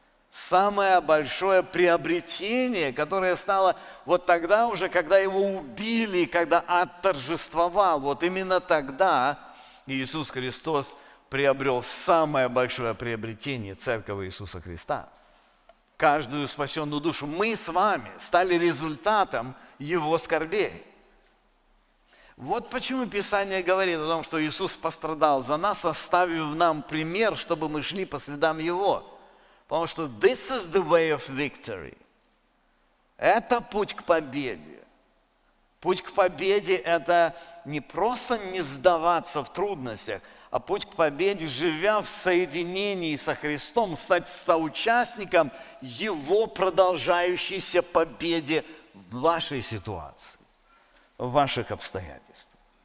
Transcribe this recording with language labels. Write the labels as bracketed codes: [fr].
[ru] Самое большое приобретение, которое стало вот тогда уже, когда его убили, когда ад торжествовал, вот именно тогда Иисус Христос приобрел самое большое приобретение Церковь Иисуса Христа. Каждую спасенную душу. Мы с вами стали результатом его скорбей. Вот почему Писание говорит о том, что Иисус пострадал за нас, оставив нам пример, чтобы мы шли по следам Его. Потому что [en] this is the way of victory. [ru] Это путь к победе. Путь к победе – это не просто не сдаваться в трудностях, а путь к победе, живя в соединении со Христом, стать соучастником Его продолжающейся победе в вашей ситуации, в ваших обстоятельствах.